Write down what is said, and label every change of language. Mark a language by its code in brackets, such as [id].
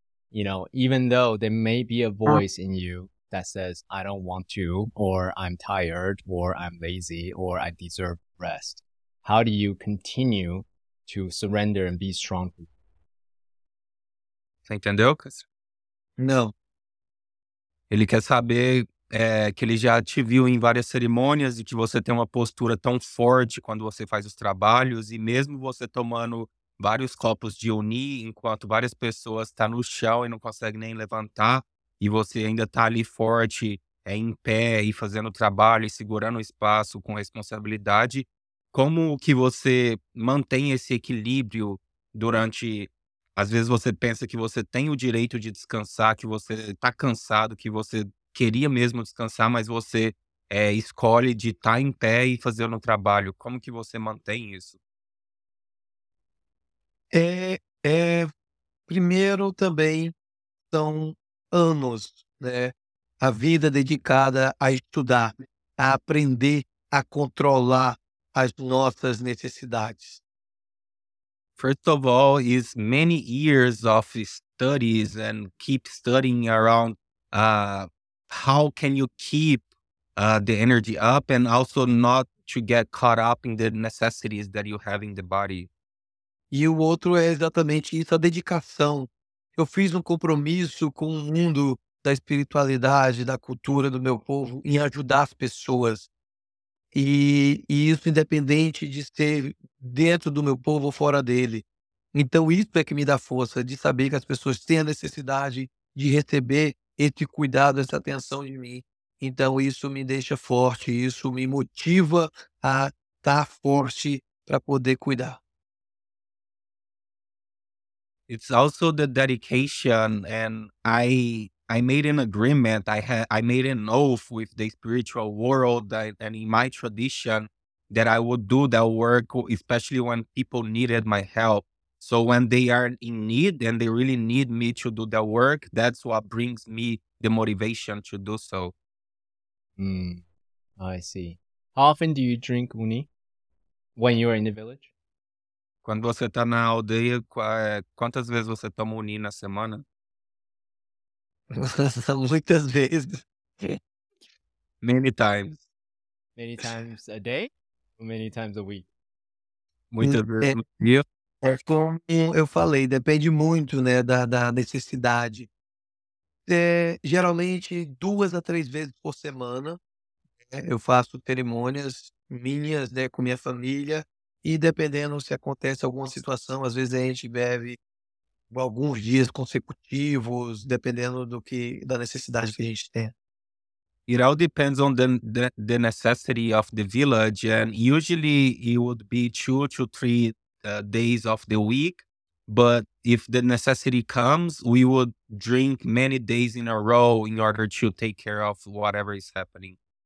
[en] You know, even though there may be a voice in you that says, I don't want to, or I'm tired, or I'm lazy, or I deserve rest. how do you continue to surrender and be strong? [pt] Você entendeu, Cris? Não. Ele quer saber que ele já te viu em várias cerimônias e que você tem uma postura tão forte quando você faz os trabalhos e mesmo você tomando vários copos de Uni, enquanto várias pessoas estão no chão e não conseguem nem levantar, e você ainda está ali forte, em pé e fazendo o trabalho e segurando o espaço com responsabilidade, como que você mantém esse equilíbrio durante... Às vezes você pensa que você tem o direito de descansar, que você está cansado, que você queria mesmo descansar, mas você escolhe de estar em pé e fazer o trabalho. Como que você mantém isso? Primeiro também são anos, né? A vida dedicada a estudar, a aprender a controlar as nossas necessidades. [en] First of all, is many years of studies and keep studying around how can you keep the energy up and also not to get caught up in the necessities that you have in the body. [pt] E o outro é exatamente isso, a dedicação. Eu fiz um compromisso com o mundo da espiritualidade, da cultura do meu povo em ajudar as pessoas. E isso independente de ser dentro do meu povo ou fora dele. Então, isso é que me dá força, de saber que as pessoas têm a necessidade de receber esse cuidado, essa atenção de mim. Então, isso me deixa forte, isso me motiva a estar forte para poder cuidar. [en] It's also the dedication, and I made an agreement, I made an oath with the spiritual world and in my tradition that I would do that work, especially when people needed my help. So when they are in need and they really need me to do that work, that's what brings me the motivation to do so. I see. How often do you drink uni when you are in the village? [pt] Quando você está na aldeia, quantas vezes você toma uni na semana? Muitas vezes. [en] Many times. Many times a day? Or many times a week? [pt] Muitas vezes. É como eu falei, depende muito, né, da necessidade. Geralmente, 2 a 3 vezes por semana, eu faço cerimônias minhas, né, com minha família. E dependendo se acontece alguma situação, às vezes a gente bebe alguns dias consecutivos, dependendo da necessidade que a gente tem. [en] It all depends on the necessity of the village, and usually it would be 2 to 3 days of the week, but if the necessity comes, we would drink many days in a row in order to take care of whatever is happening.